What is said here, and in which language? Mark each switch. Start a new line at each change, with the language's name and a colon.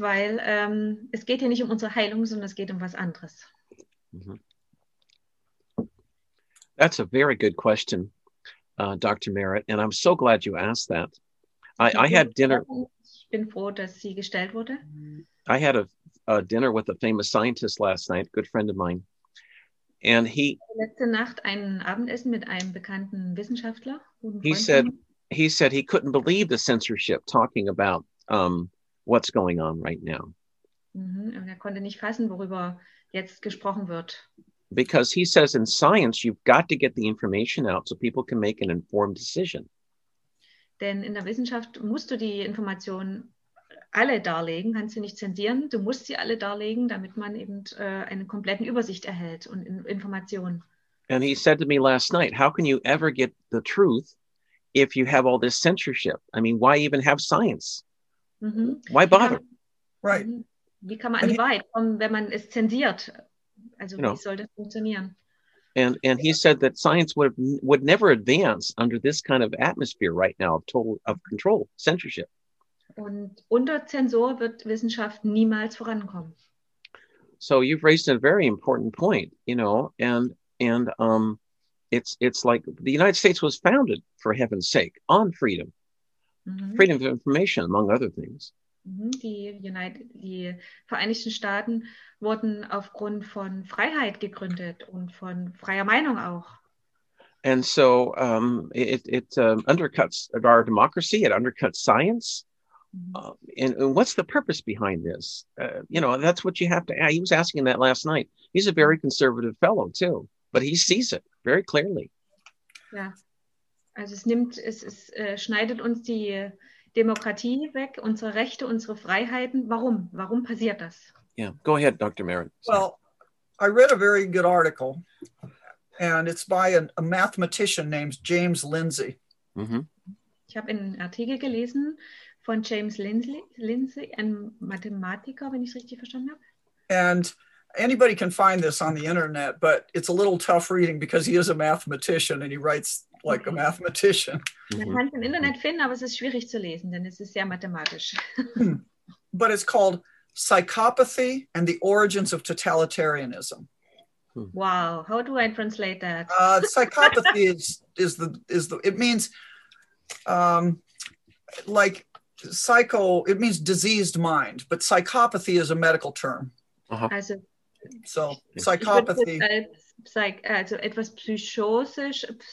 German: Weil es geht hier nicht um unsere Heilung, sondern es geht um was anderes.
English: That's a very good question, Dr. Merritt, and I'm so glad you asked that.
German: Ich bin froh, dass sie gestellt wurde.
English: I had a dinner with a famous scientist last night, a good friend of mine, And he
German: letzte Nacht ein Abendessen mit einem bekannten Wissenschaftler.
English: He said he couldn't believe the censorship talking about what's going on right now.
German: Und er konnte nicht fassen, worüber jetzt gesprochen wird.
English: Because he says in science you've got to get the information out so people can make an informed decision.
German: Denn in der Wissenschaft musst du die Informationen alle darlegen, kannst du nicht zensieren, du musst sie alle darlegen, damit man eben einen kompletten Übersicht erhält und Informationen.
English: And he said to me last night, how can you ever get the truth if you have all this censorship? I mean, why even have science? Mm-hmm. Why bother? Right.
German: Wie kann man an die Wahrheit kommen, wenn man es zensiert? Also, wie soll das funktionieren?
English: And he said that science would never advance under this kind of atmosphere right now of control, censorship.
German: Und unter Zensur wird Wissenschaft niemals vorankommen.
English: So you've raised a very important point, you know, and it's like the United States was founded, for heaven's sake, on freedom. Mm-hmm. Freedom of information, among other things.
German: Die Vereinigten Staaten wurden aufgrund von Freiheit gegründet und von freier Meinung auch.
English: And so it undercuts our democracy, it undercuts science. And what's the purpose behind this? You know, that's what you have to ask. He was asking that last night. He's a very conservative fellow too, but he sees it very clearly. Yeah.
German: Also schneidet uns die Demokratie weg, unsere Rechte, unsere Freiheiten. Warum? Warum passiert das?
English: Yeah, go ahead, Dr. Merritt. Well, I read a very good article, and it's by a mathematician named James Lindsay. Mm-hmm.
German: Ich habe einen Artikel gelesen von James Lindsay, einem Mathematiker, wenn ich es richtig verstanden habe.
English: And anybody can find this on the internet, but it's a little tough reading because he is a mathematician and he writes like a mathematician.
German: Man kann es im Internet finden, aber es ist schwierig zu lesen, denn es ist sehr mathematisch.
English: But it's called Psychopathy and the Origins of Totalitarianism. Wow, how do I translate that? Psychopathy is the it means like psycho, it means diseased mind, but psychopathy is a medical term.
German: Uh-huh. Also,
English: so psychopathy.
German: Also etwas psychosisch.